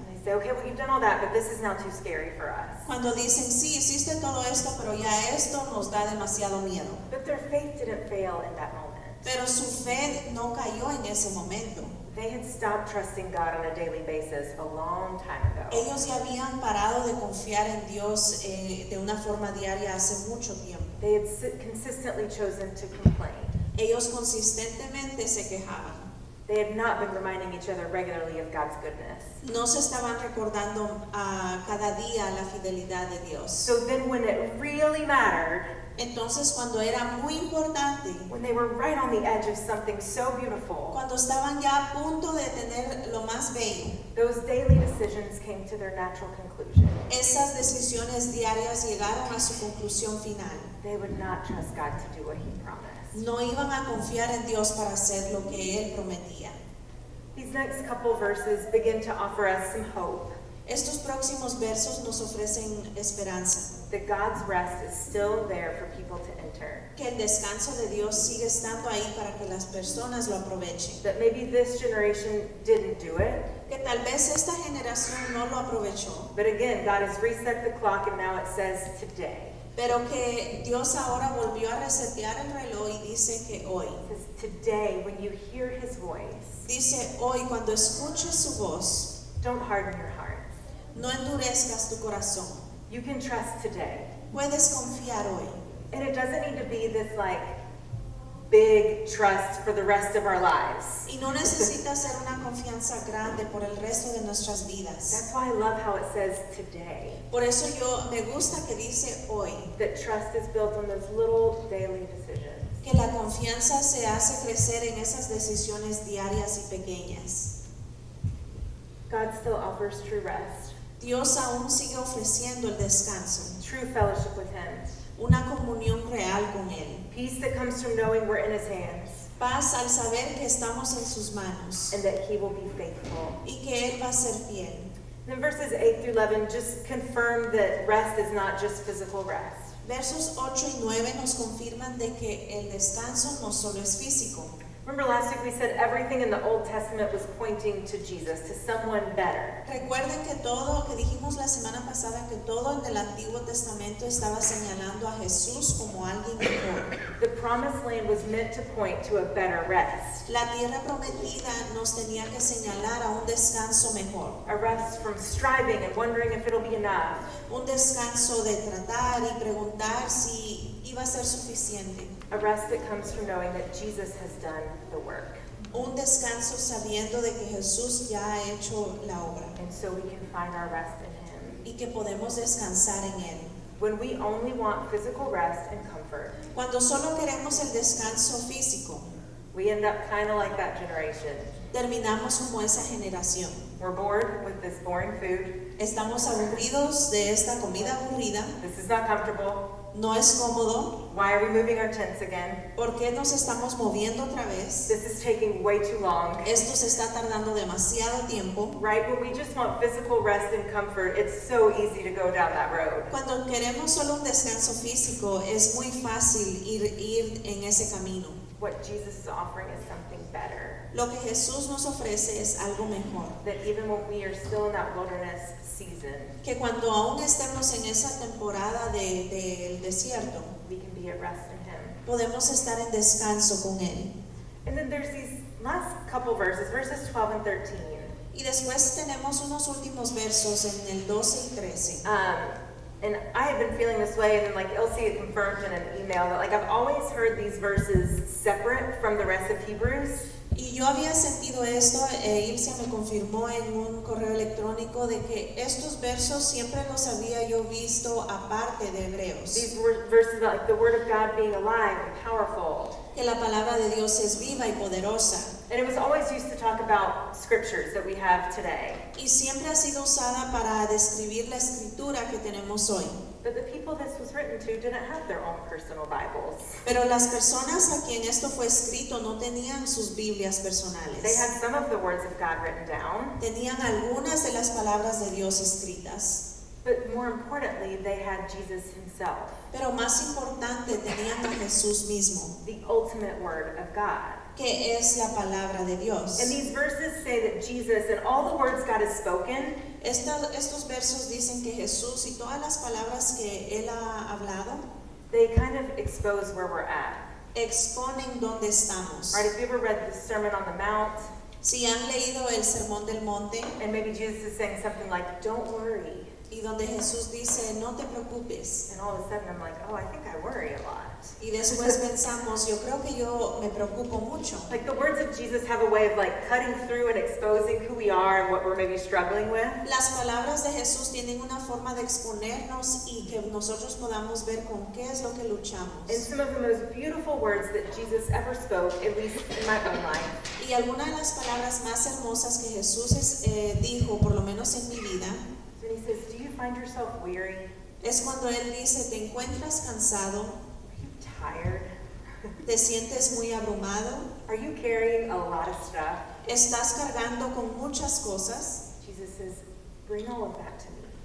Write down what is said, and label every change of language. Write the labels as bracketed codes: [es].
[en] Say, okay, well, you've done all that, but this is now too scary for us. [es] Cuando dicen, sí, hiciste todo esto, pero ya esto nos da demasiado miedo. [en] But their faith didn't fail in that moment. [es] Pero su fe no cayó en ese momento. [en] They had stopped trusting God on a daily basis a long time ago. [es] Ellos ya habían parado de confiar en Dios de una forma diaria hace mucho tiempo. [en] They had consistently chosen to complain. [es] Ellos consistentemente se quejaban. [en] They had not been reminding each other regularly of God's goodness. [es] No se estaban recordando cada día la fidelidad de Dios. [en] So then when it really mattered, [es] entonces cuando era muy importante, [en] when they were right on the edge of something so beautiful, [es] cuando estaban ya a punto de tener lo más bello, [en] those daily decisions came to their natural conclusion. [es] Esas decisiones diarias llegaron a su conclusión final. [en] They would not trust God to do what he promised. [es] No iban a confiar en Dios para hacer lo que Él prometía. [en] These next couple verses begin to offer us some hope. [es] Estos próximos versos nos ofrecen esperanza. [en] That God's rest is still there for people to enter. [es] Que el descanso de Dios sigue estando ahí para que las personas lo aprovechen. [en] That maybe this generation didn't do it. [es] Que tal vez esta generación no lo aprovechó. [en] But again, God has reset the clock and now it says today. [es] Pero que Dios ahora volvió a resetear el reloj y dice que hoy. [en] Today, when you hear his voice. [es] Dice hoy cuando escuches su voz. [en] Don't harden your heart. [es] No endurezcas tu corazón. [en] You can trust today. [es] Puedes confiar hoy. [en] And it doesn't need to be this like big trust for the rest of our lives. [es] Y no necesita ser una confianza grande por el resto de nuestras vidas. [en] That's why I love how it says today. [es] Por eso yo me gusta que dice hoy. [en] That trust is built on those little daily decisions. [es] Que la confianza se hace crecer en esas decisiones diarias y pequeñas. [en] God still offers true rest. [es] Dios aún sigue ofreciendo el descanso. [en] True fellowship with him. [es] Una comunión real con él. [en] Peace that comes from knowing we're in his hands. [es] Paz al saber que estamos en sus manos. [en] And that he will be faithful. [es] Y que él va a ser fiel. [en] Then verses 8 through 11 just confirm that rest is not just physical rest. [es] Versos 8 y 9 nos confirman de que el descanso no solo es físico. [en] Remember last week we said everything in the Old Testament was pointing to Jesus, to someone better. [es] Recuerden que todo lo que dijimos la semana pasada, que todo en el Antiguo Testamento estaba señalando a Jesús como alguien mejor. [en] The promised land was meant to point to a better rest. [es] La tierra prometida nos tenía que señalar a un descanso mejor. [en] A rest from striving and wondering if it'll be enough. [es] Un descanso de tratar y preguntar si iba a ser suficiente. [en] A rest that comes from knowing that Jesus has done the work. [es] Un descanso sabiendo de que Jesús ya ha hecho la obra. [en] And so we can find our rest in Him. [es] Y que podemos descansar en Él. [en] When we only want physical rest and comfort, [es] cuando solo queremos el descanso físico, [en] we end up kind of like that generation. [es] Terminamos como esa generación. [en] We're bored with this boring food. [es] Estamos aburridos de esta comida aburrida. [en] This is not comfortable. [es] No es cómodo. [en] Why are we moving our tents again? [es] ¿Por qué nos estamos moviendo otra vez? [en] This is taking way too long. [es] Esto se está tardando demasiado tiempo. [en] Right, when we just want physical rest and comfort, it's so easy to go down that road. [es] Cuando queremos solo un descanso físico, es muy fácil ir en ese camino. [en] What Jesus is offering is something better. [es] Lo que Jesús nos ofrece es algo mejor. [en] That even when we are still in that wilderness season, [es] que cuando aún estemos en esa temporada del desierto, [en] we can be at rest in Him. [es] Podemos estar en descanso con Él. [en] And then there's these last couple verses, verses 12 and 13. [es] Y después tenemos unos últimos versos en el 12 y 13. [en] And I have been feeling this way, and then like Ilse had confirmed in an email that like I've always heard these verses separate from the rest of Hebrews. [es] Y yo había sentido esto, Ilse me confirmó en un correo electrónico de que estos versos siempre los había yo visto aparte de Hebreos. [en] These verses about like the word of God being alive and powerful. [es] Que la palabra de Dios es viva y poderosa. [en] And it was always used to talk about scriptures that we have today. [es] Y siempre ha sido usada para describir la escritura que tenemos hoy. [en] But the people this was written to didn't have their own personal Bibles. [es] Pero las personas a quien esto fue escrito no tenían sus Biblias personales. [en] They had some of the words of God written down. [es] Tenían algunas de las palabras de Dios escritas. [en] But more importantly, they had Jesus Himself. [es] Pero más importante, tenían a Jesús mismo. [en] The ultimate word of God. [es] Que es la palabra de Dios. [en] And these verses say that Jesus and all the words God has spoken. [es] Estos versos dicen que Jesús y todas las palabras que Él ha hablado. [en] They kind of expose where we're at. [es] Exponen donde estamos. [en] Right, if you ever read the Sermon on the Mount. [es] Si han leído el Sermón del Monte. [en] And maybe Jesus is saying something like, don't worry. [es] Y donde Jesús dice, no te preocupes. [en] And all of a sudden I'm like, oh, I think I worry a lot. [es] Y después pensamos, yo creo que yo me preocupo mucho. [en] Like the words of Jesus have a way of like cutting through and exposing who we are and what we're maybe struggling with. [es] Las palabras de Jesús tienen una forma de exponernos y que nosotros podamos ver con qué es lo que luchamos. [en] And some of the most beautiful words that Jesus ever spoke, at least in my own life. [es] Y algunas de las palabras más hermosas que Jesús dijo, por lo menos en mi vida. [en] And he says, do you find yourself weary? [es] Es cuando él dice, ¿te encuentras cansado? [en] Are you tired? [es] ¿Te sientes muy abrumado? [en] Are you carrying a lot of stuff? [es] ¿Estás cargando con muchas cosas? [en] Jesus says, bring all of that to me.